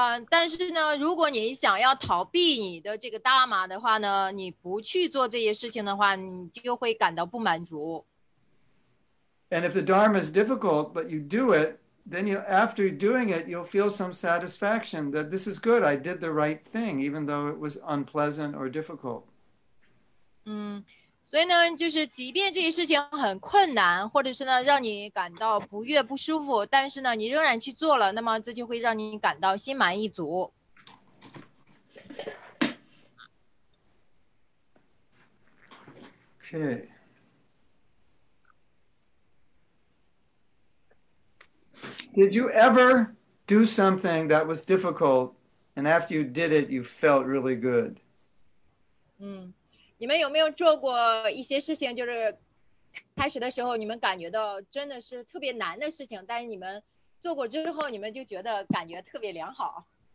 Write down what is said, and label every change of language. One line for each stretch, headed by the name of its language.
Chinese: 但是呢，如果你想要逃避你的这个 dharma 的话呢，你不去做这些事情的话，你就会感到不满足。
English: And if the dharma is difficult, but you do it,Then you, after doing it, you'll feel some satisfaction that this is good. I did the right thing, even though it was unpleasant or difficult.
Chinese: 所以呢，就是即便这些事情很困难，或者是呢让你感到不悦不舒服，但是呢你仍然去做了，那么这就会让你感到心满意足。
English: Okay. Did you ever do something that was difficult and after you did it, you felt really good?
Chinese: 你们有没有做过一些事情，就是 开始的时候你们感觉到真的是特别难的事情，但是你们做过之后，你们就觉得感觉特别良好。